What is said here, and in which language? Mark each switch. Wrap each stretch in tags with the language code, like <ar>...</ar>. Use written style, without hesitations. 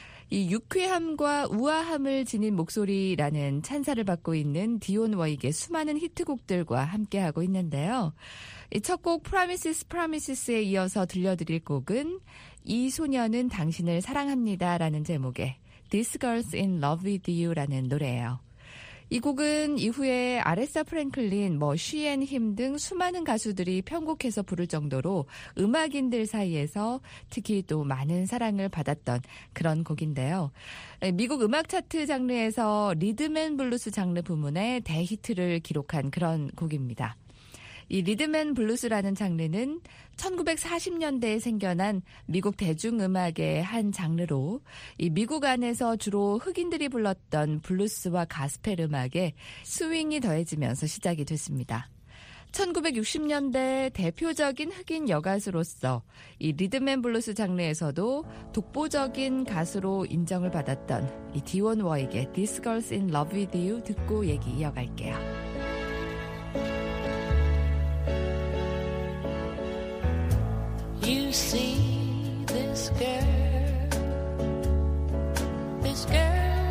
<ko>이 유쾌함과 우아함을 지닌 목소리라는 찬사를 받고 있는 디온 워익의 수많은 히트곡들과 함께하고 있는데요. 이 첫 곡 Promises, Promises에 이어서 들려드릴 곡은 이 소녀는 당신을 사랑합니다라는 제목의 This Girl's in Love with You라는 노래예요. 이 곡은 이후에 아레사 프랭클린, 뭐 쉬앤 힘 등 수많은 가수들이 편곡해서 부를 정도로 음악인들 사이에서 특히 또 많은 사랑을 받았던 그런 곡인데요. 미국 음악 차트 장르에서 리듬앤블루스 장르 부문의 대히트를 기록한 그런 곡입니다. 이 리듬앤블루스라는 장르는 1940년대에 생겨난 미국 대중음악의 한 장르로 이 미국 안에서 주로 흑인들이 불렀던 블루스와 가스펠 음악에 스윙이 더해지면서 시작이 됐습니다. 1960년대 대표적인 흑인 여가수로서 이 리듬앤블루스 장르에서도 독보적인 가수로 인정을 받았던 이 디원 워에게 This Girl's in Love With You 듣고 얘기 이어갈게요.</ko> <en>You see this girl, this girl.</en>